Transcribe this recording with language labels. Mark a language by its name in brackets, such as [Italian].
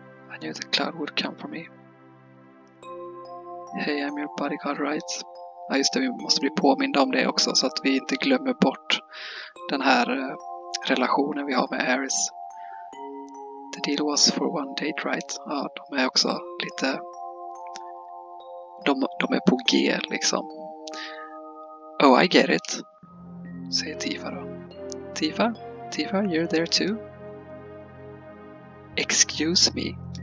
[English] I knew the cloud would come for me. Hey, I'm your bodyguard, right? [Swedish] Ja, just det, vi måste bli påminna om det också så att vi inte glömmer bort den här relationen vi har med Aris. [English] The deal was for one date, right? [Swedish] Ja, de är också lite... De är på G, liksom. [English] Oh, I get it. [Swedish] Säger Tifa då. Tifa? [English] Tifa, you're there too? Excuse me.